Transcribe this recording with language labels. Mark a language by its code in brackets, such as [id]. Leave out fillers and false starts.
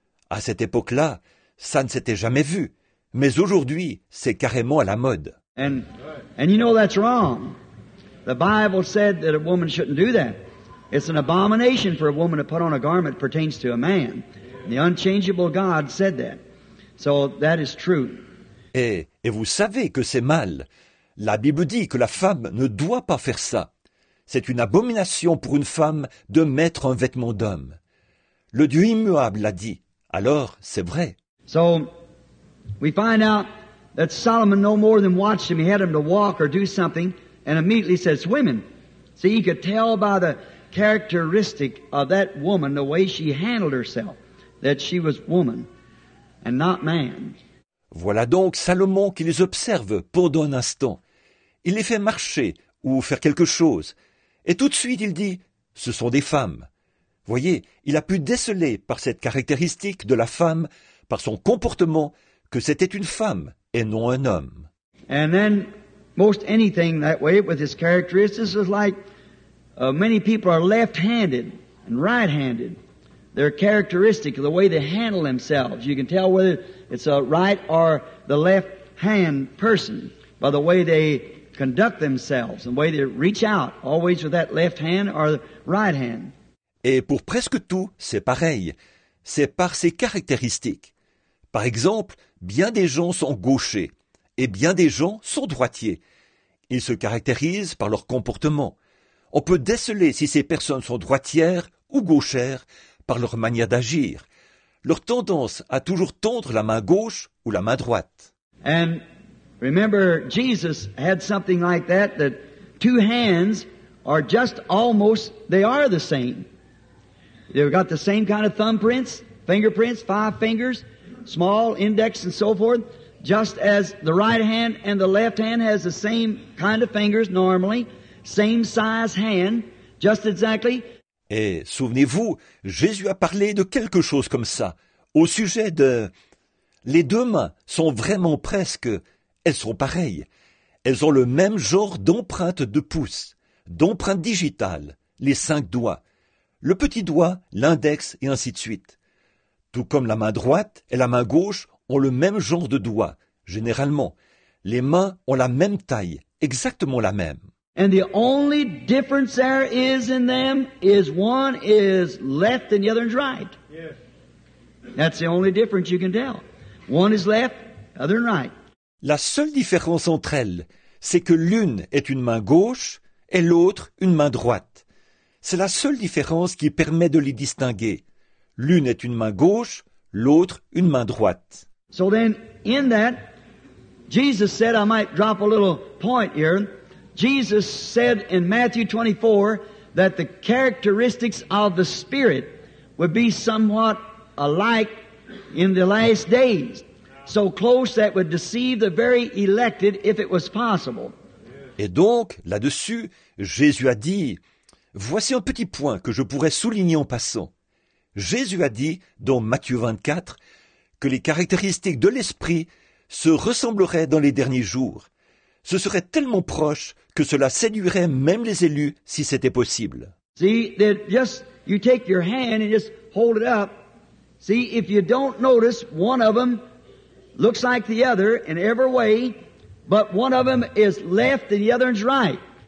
[fr] À cette époque-là, ça ne s'était jamais vu, mais aujourd'hui, c'est carrément à la mode. [en] And you know that's wrong. The Bible said that a woman shouldn't do that. It's an abomination for a woman to put on a garment that pertains to a man. The unchangeable God said that. So that is true. [fr] Et vous savez que c'est mal. La Bible dit que la femme ne doit pas faire ça. C'est une abomination pour une femme de mettre un vêtement d'homme. Le Dieu immuable l'a dit. Alors, c'est vrai. [en] So, we find out that Solomon no more than watched him. He had him to walk or do something and immediately says, women. See, he could tell by the characteristic of that woman, the way she handled herself, that she was woman and not man. [fr] Voilà donc Salomon qui les observe pendant un instant. Il les fait marcher ou faire quelque chose. Et tout de suite, il dit, ce sont des femmes. Voyez, il a pu déceler par cette caractéristique de la femme, par son comportement, que c'était une femme et non un homme. [en] And then most anything that way with his characteristics is like many people are left-handed and right-handed. Their characteristic, the way they handle themselves. You can tell whether it's a right or the left-hand person by the way they conduct themselves, the way they reach out, always with that left hand or the right hand. [fr] Et pour presque tout, c'est pareil. C'est par ses caractéristiques. Par exemple, bien des gens sont gauchers et bien des gens sont droitiers. Ils se caractérisent par leur comportement. On peut déceler si ces personnes sont droitières ou gauchères par leur manière d'agir, leur tendance à toujours tendre la main gauche ou la main droite. [en] And remember, Jesus had something like that, that two hands are just almost, they are the same. They've got the same kind of thumbprints, fingerprints, five fingers, small, index, and so forth. Just as the right hand and the left hand has the same kind of fingers normally, same size hand, just exactly. [fr] Et souvenez-vous, Jésus a parlé de quelque chose comme ça, au sujet de... Les deux mains sont vraiment presque... Elles sont pareilles. Elles ont le même genre d'empreinte de pouce, d'empreinte digitale, les cinq doigts, le petit doigt, l'index et ainsi de suite. Tout comme la main droite et la main gauche ont le même genre de doigts, généralement. Les mains ont la même taille, exactement la même. [en] And the only difference there is in them is one is left and the other is right. Yes. That's the only difference you can tell. One is left, other is right. [fr] La seule différence entre elles, c'est que l'une est une main gauche et l'autre une main droite. C'est la seule différence qui permet de les distinguer. L'une est une main gauche, l'autre une main droite. [en] So then, in that, Jesus said, I might drop a little point here. Jesus said in Matthew 24 that the characteristics of the Spirit would be somewhat alike in the last days. So close that would deceive the very elected if it was possible. [fr] Et donc, là-dessus, Jésus a dit, voici un petit point que je pourrais souligner en passant. Jésus a dit, dans Matthieu 24, que les caractéristiques de l'Esprit se ressembleraient dans les derniers jours. Ce serait tellement proche que cela séduirait même les élus si c'était possible. [en] See, that just, you take your hand and just hold it up. See, if you don't notice, one of them looks like the other in every way, but one of them is left and the other is right.